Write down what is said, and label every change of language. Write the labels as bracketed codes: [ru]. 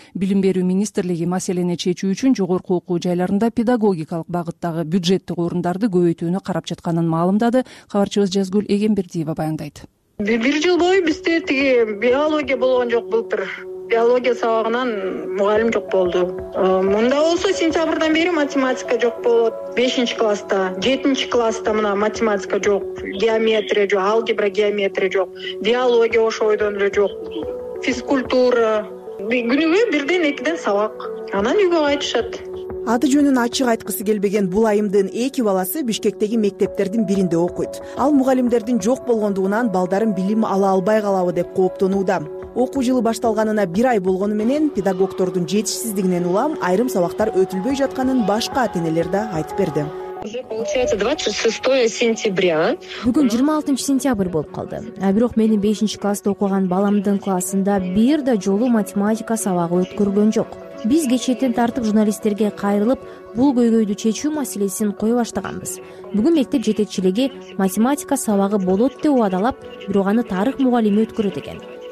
[ky] Билим берүү министрлиги маселени чечүү үчүн жогорку окуу жайларында педагогикалык багыттагы бюджеттик орундарды көбөйтүүнү карап жатканын маалымдады. Кабарчыбыз Жазгүл Эгембердиева баяндайт. Бир жыл бою бизде тиги биология болгон жок былтыр. Биология сабагынан мугалим жок болду. Мында болсо сентябрдан бери математика жок болот. 5-класста, 7-класста мына математика жок, геометрия жок, алгебра, геометрия жок. Биология ошойдон эле жок. Физкультура. Күнүгө бирден экиден сабак. Анан үйгө кайтышат. Аты жөнүн ачык айткысы келбеген бул айымдын эки баласы Бишкектеги мектептердин биринде окуйт. Ал мугалимдердин жок болгондугунан балдарын билим ала албай калабы деп кооптонууда. Окуу жылы башталганына бир ай болгону менен педагогтордун жетишсиздигинен улам айрым сабактар өтүлбөй жатканын башка ата энелер да айтып берди. [ru] Уже получается 26 сентября. [ky] Бүгүн 26 сентябрь болуп калды. А бирок менин 5-класста окуган баламдын классында бир да жолу математика сабагы өткөргөн жок. Биз кечээтен тартып журналисттерге кайрылып, бул көйгөйдү чечүү маселесин кое баштаганбыз. Бүгүн мектеп жетекчилиги математика сабагы болот деп убадалап, бирок аны тарых мугалими өткөрөт экен.